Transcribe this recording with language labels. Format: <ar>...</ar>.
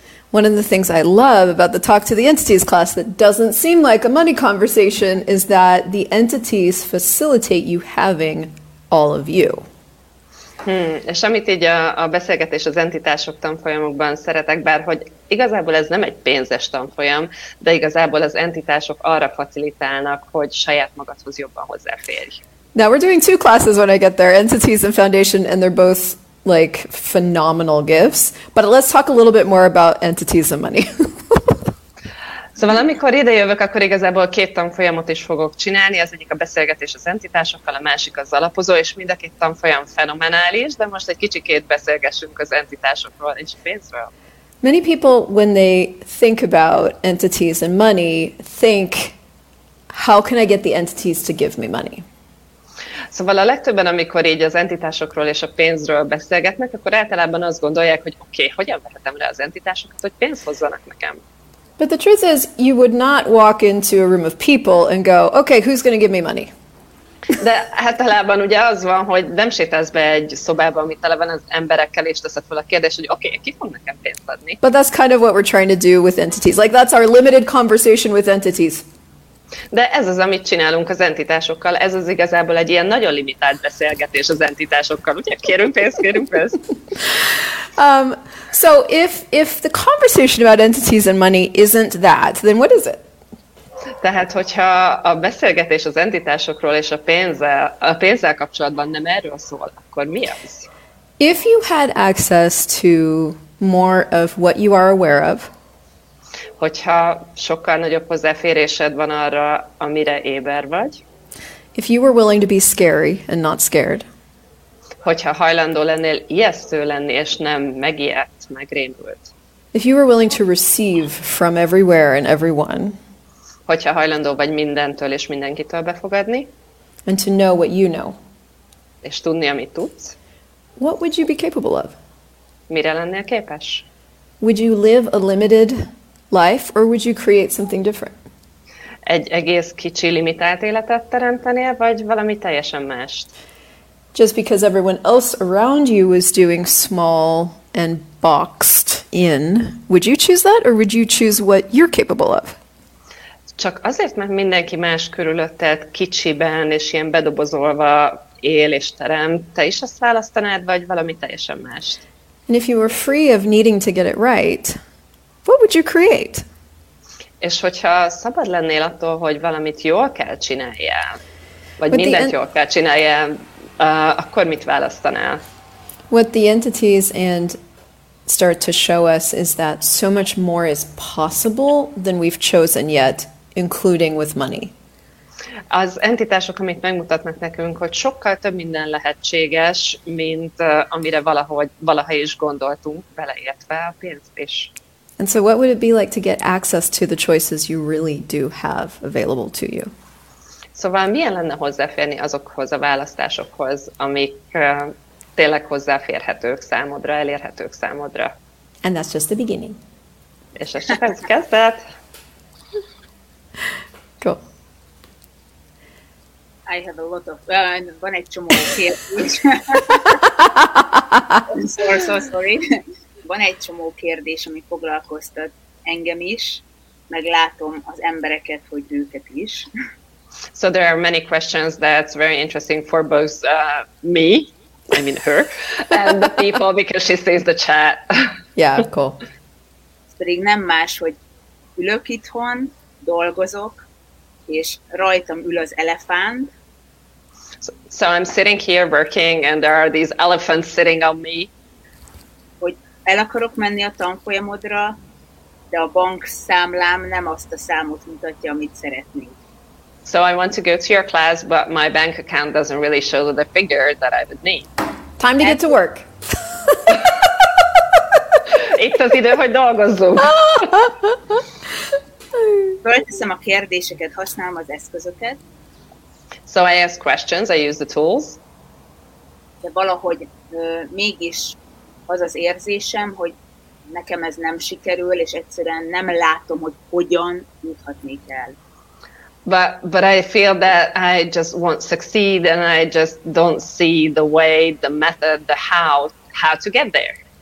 <en>One of the things I love about the Talk to the Entities class that doesn't seem like a money conversation is that the entities facilitate you having all of you.</en> <hu>És amit így a beszélgetés az entitások tanfolyamokban szeretek, bárhogy igazából ez nem egy pénzes tanfolyam, de igazából az entitások arra facilitálnak, hogy saját magadhoz jobban hozzáférj.</hu> <en>Now we're doing two classes when I get there, Entities and Foundation, and they're both like phenomenal gifts, but let's talk a little bit more about entities and money.</en> <hu>Szóval amikor idejövök, akkor igazából két tanfolyamot is fogok csinálni, az egyik a beszélgetés az entitásokkal, a másik az alapozó, és mind a két tanfolyam fenomenális, de most egy kicsikét beszélgessünk az entitásokról és pénzről.</hu> <en>Many people, when they think about entities and money, think, how can I get the entities to give me money?</en> <hu>Szóval a legtöbben, amikor így az entitásokról és a pénzről beszélgetnek, akkor általában azt gondolják, hogy oké, hogyan vehetem rá az entitásokat, hogy pénzt hozzanak nekem.</hu> <en>But the truth is, you would not walk into a room of people and go, okay, who's going to give me money?</en> <hu>De általában ugye az van, hogy nem sétálsz be egy szobába, amit tele van az emberekkel, és teszed fel a kérdést, hogy okay, ki fog nekem pénzt adni?</hu> <en>But that's kind of what we're trying to do with entities. Like, that's our limited conversation with entities.</en> <hu>De ez az, amit csinálunk az entitásokkal. Ez az igazából egy ilyen nagyon limitált beszélgetés az entitásokkal. Ugye, kérünk pénzt.</hu> <en>So if the conversation about entities and money isn't that, then what is it?</en> <hu>Tehát, hogyha a beszélgetés az entitásokról és a pénzzel kapcsolatban nem erről szól, akkor mi az?</hu> <en>If you had access to more of what you are aware of,</en> <hu>hogyha sokkal nagyobb hozzáférésed van arra, amire éber vagy.</hu> <en>If you were willing to be scary and not scared.</en> <hu>Hogyha hajlandó lennél ijesztő lenni, és nem megijedt, megrémült.</hu> <en>If you were willing to receive from everywhere and everyone.</en> <hu>Hogyha hajlandó vagy mindentől és mindenkitől befogadni.</hu> <en>And to know what you know.</en> <hu>És tudni, amit tudsz.</hu> <en>What would you be capable of?</en> <hu>Mire lennél képes?</hu> <en>Would you live a limited life, or would you create something different?</en> <hu>Egy egész kicsi limitált életet teremtenél, vagy valami teljesen mást?</hu> <en>Just because everyone else around you is doing small and boxed in, would you choose that, or would you choose what you're capable of?</en> <hu>Csak azért, mert mindenki más körülötted kicsiben és ilyen bedobozolva él és teremt, te is azt választanád, vagy valami teljesen mást?</hu> <en>And if you were free of needing to get it right, what would you create?</en> <hu>És hogyha szabad lennél attól, hogy valamit jól kell csináljál, vagy what mindent jól kell csináljál, akkor mit választanál?</hu> <en>What the entities and start to show us is that so much more is possible than we've chosen yet, including with money.</en> <hu>Az entitások, amit megmutatnak nekünk, hogy sokkal több minden lehetséges, mint amire valaha is gondoltunk, beleértve a pénzt is.</hu> <en>And so what would it be like to get access to the choices you really do have available to you?</en> <hu>Szóval milyen lenne hozzáférni azokhoz a választásokhoz, amik tényleg hozzáférhetők számodra, elérhetők számodra?</hu> <en>And that's just the beginning.</en> <hu>És ez csak az kezdet.</hu> <en>Cool. I have a lot of...</en> <hu>van egy csomó kérdés.</hu> <en>So sorry.</en> <hu>Van egy csomó kérdés, ami foglalkoztat engem is, meg látom az embereket, hogy őket is.</hu> <en>So there are many questions that's very interesting for both me, I mean her, and the people, because she sees the chat. Yeah, cool.</en> <hu>Pedig nem más, hogy ülök itthon, dolgozok, és rajtam ül az elefánt.</hu> <en>So I'm sitting here working, and there are these elephants sitting on me.</en> <hu>Hogy el akarok menni a tanfolyamodra, de a bank számlám nem azt a számot mutatja, amit szeretnék.</hu> <en>So I want to go to your class, but my bank account doesn't really show the figure that I would need. Time to get to work.</en> <hu>Itt az idő, hogy dolgozzunk. Fölteszem a kérdéseket, használom az eszközöket.</hu> <en>So I ask questions, I use the tools.</en> <hu>De valahogy mégis az az érzésem, hogy nekem ez nem sikerül, és egyszerűen nem látom, hogy hogyan juthatnék el.</hu> <en>But I feel that I just won't succeed, and I just don't see the way, the method, the how to get there.</en>